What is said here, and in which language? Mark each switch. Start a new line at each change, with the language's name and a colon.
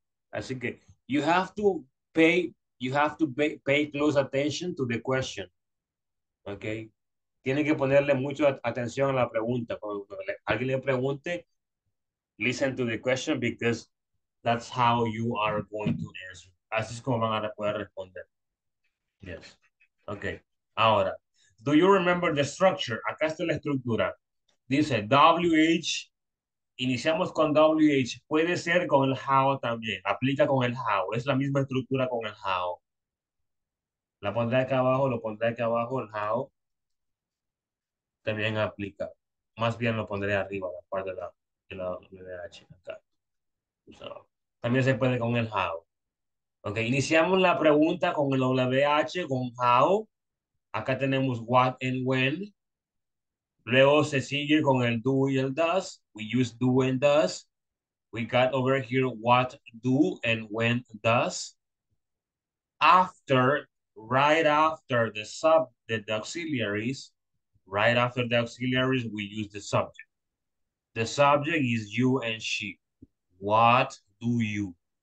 Spanish: Así que
English: you have to pay close attention to the question. Okay.
Spanish: Tienen que ponerle mucho atención a la pregunta. Cuando alguien le pregunte,
English: listen to the question because that's how you are going to answer.
Spanish: Así es como van a poder responder. Yes. Okay. Ahora,
English: do you remember the structure?
Spanish: Acá está la estructura. Dice WH. Iniciamos con WH. Puede ser con el how también. Aplica con el how. Es la misma estructura con el how. La pondré acá abajo, lo pondré acá abajo, el how. También aplica. Más bien lo pondré arriba, la parte de la WH. Acá. So, también se puede con el how. Ok, iniciamos la pregunta con el WH, con how. Acá tenemos what and when. Luego se sigue con el do y el does.
English: We use do and does. We got over here what do and when does. After, right after the sub, the auxiliaries, right after the auxiliaries, we use the subject. The subject is you and she. What do you?